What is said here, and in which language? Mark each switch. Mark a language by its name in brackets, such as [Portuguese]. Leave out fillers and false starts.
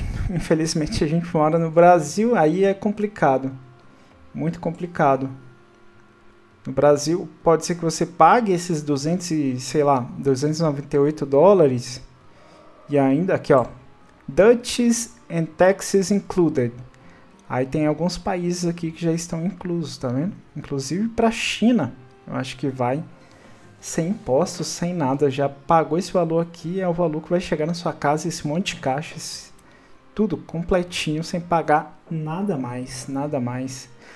[Portuguese] Infelizmente, a gente mora no Brasil, aí é complicado. Muito complicado. No Brasil, pode ser que você pague esses 298 dólares. E ainda aqui, ó. [English] Duties and taxes included. [Portuguese] Aí tem alguns países aqui que já estão inclusos, tá vendo? Inclusive para a China, eu acho que vai sem impostos, sem nada. Já pagou esse valor aqui, é o valor que vai chegar na sua casa, esse monte de caixas. Tudo completinho, sem pagar nada mais, nada mais.